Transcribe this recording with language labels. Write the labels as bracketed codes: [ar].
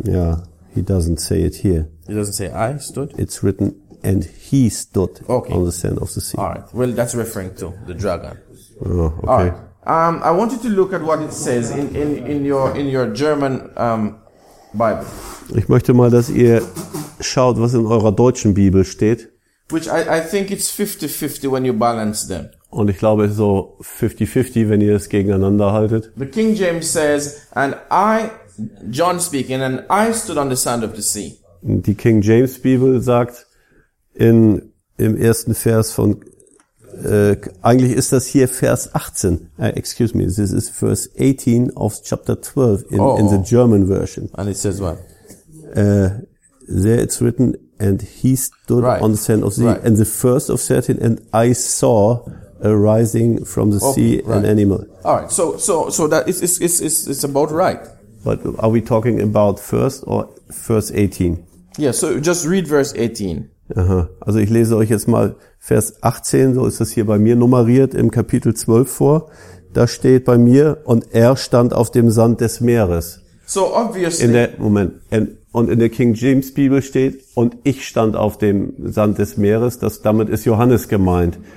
[en] Yeah, he doesn't say it here. He doesn't say I stood? It's written, and he stood on the sand of the sea. All right, well, that's referring to the dragon. Oh, okay. All right, I want you to look at what it says in your German Bible. [de] Ich möchte mal, dass ihr schaut, was in eurer deutschen Bibel steht. [en] Which I think it's 50-50 when you balance them. [de] Und ich glaube, es ist so 50-50, wenn ihr es gegeneinander haltet. [en] The King James says, and I, John speaking, and I stood on the sand of the sea. [de] Die King James Bibel sagt im ersten Vers von, eigentlich ist das hier Vers 18. [en] Excuse me, this is verse 18 of chapter 12 in the German version. And it says what? There it's written, and he stood on the sand of the sea, and the first of 13, and I saw a rising from the sea an animal. All right, so that it's about right. But are we talking about first or verse 18? Yeah, so just read verse 18. Aha. [de] Also ich lese euch jetzt mal Vers 18, so ist das hier bei mir nummeriert im Kapitel 12 vor. Da steht bei mir, und er stand auf dem Sand des Meeres. [en] So obviously. [de] Und in der King James Bibel steht, und ich stand auf dem Sand des Meeres, damit ist Johannes gemeint.